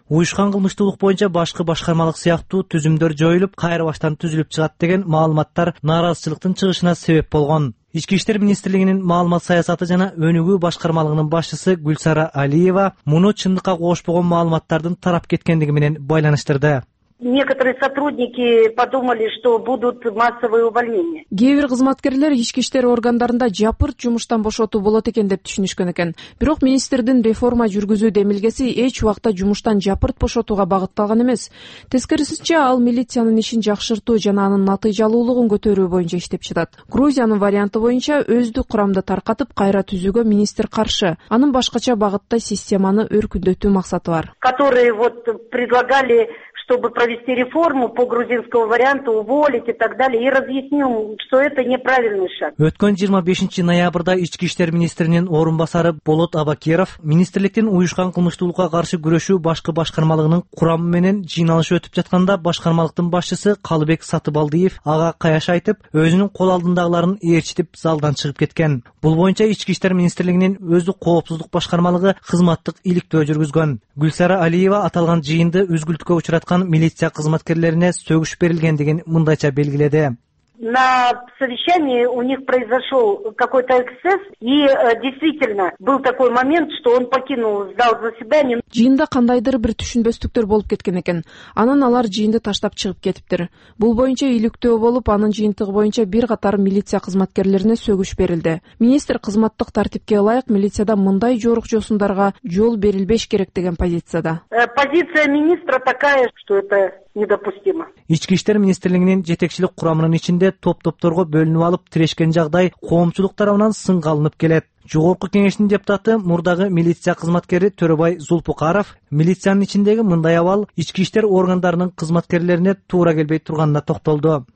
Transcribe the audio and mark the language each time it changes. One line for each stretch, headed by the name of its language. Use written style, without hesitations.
Kyrgyz: Уюшкан кылмыштуулук боюнча башкы башкармалык сыяктуу түзүмдөр жоюлуп, кайра баштан түзүлүп чыгат деген маалыматтар нааразычылыктын чыгышына себеп болгон. Ички иштер министрлигинин маалымат саясаты жана өнүгүү башкармалыгынын башчысы Гүлсара Алиева муну чындыкка коошпогон маалыматтардын тарап кеткендиги менен байланыштырды.
Russian: Некоторые сотрудники подумали, что будут массовые увольнения.
Kyrgyz: Кээ бир кызматкерлер ички иштер органдарында жапырт жумуштан бошотуу болот экен деп түшүнүшкөн экен. Бирок министрдин реформа жүргүзүү демилгеси эч убакта жумуштан жапырт бошотууга багытталган эмес. Тескерисинче ал милициянын ишин жакшыртуу жана анын натыйжалуулугун көтөрүү боюнча иштеп жатат. Грузиянын варианты боюнча өздүк курамды таркатып кайра түзүүгө министр каршы. Анын башкача багытта системаны өркүндөтүү максаты бар.
Russian: Которые вот предлагали, чтобы провести реформу по грузинскому варианту, уволить и так далее, и разъяснил, что это неправильный шаг.
Kyrgyz: Өткөн 25 ноябрда ички иштер министринин орун басары Болот Абакиров министрликтин уюшкан кылмыштуулукка каршы күрөшүү башкы башкармалыгынын курамы менен жыйналышы өтүп жатканда башкармалыктын башчысы Калыбек Сатыбалдиев ага каяш айтып, өзүнүн кол алдындагыларын ээрчитип залдан чыгып кеткен. Бул боюнча ички иштер министрлигинин өздүк коопсуздук башкармалыгы кызматтык иликтөө жүргүзгөн. Гүлсара Алиева аталган жыйынды үзгүлтүккө учурган аткан милиция кызматкерлерине сөгүш берилгендигин мындайча белгиледи.
Russian: На совещании у них произошел какой-то эксцесс и действительно был такой момент, что он покинул зал заседания.
Kyrgyz: Жыйында кандайдыр бир түшүнбөстүктөр болуп кеткен экен. Анан алар жыйынды таштап чыгып кетиптир. Бул боюнча иликтөө болуп, анын жыйынтыгы боюнча бир катар милиция кызматкерлерине сөгүш берилди. Министр кызматтык тартипке ылайык милицияда мындай жорук жосундарга жол берилбеш керек деген позицияда.
Russian: Позиция министра такая, что это недопустимо.
Kyrgyz: Ички иштер министрлигинин жетекчилик курамынын ичинде топ-топторго бөлүнүп алып тирешкен жагдай коомчулук тарабынан сынга алынып келет. Жогорку кеңештин депутаты мурдагы милиция кызматкери Төрөбай Зулпукаров милициянын ичиндеги мындай абал ички иштер органдарынын кызматкерлерине туура келбей турганына токтолду.